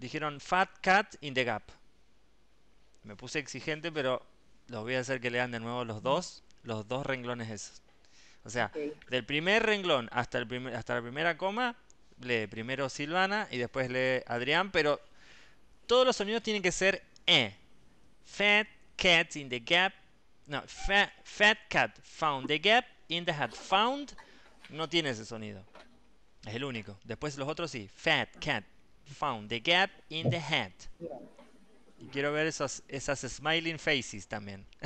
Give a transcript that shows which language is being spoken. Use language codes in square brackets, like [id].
[es] Dijeron [en] fat cat in the gap. [es] Me puse exigente, pero los voy a hacer que lean de nuevo los dos renglones esos. O sea, okay. Del primer renglón hasta la primera coma, lee primero Silvana y después lee Adrián, pero todos los sonidos tienen que ser E. [en] Fat cat in the gap. No, fat cat found the gap in the hat. [es] Found no tiene ese sonido. Es el único. Después los otros sí. [en] Fat cat found the gap in the hat. [es] Y quiero ver esas [en] smiling faces [es] también.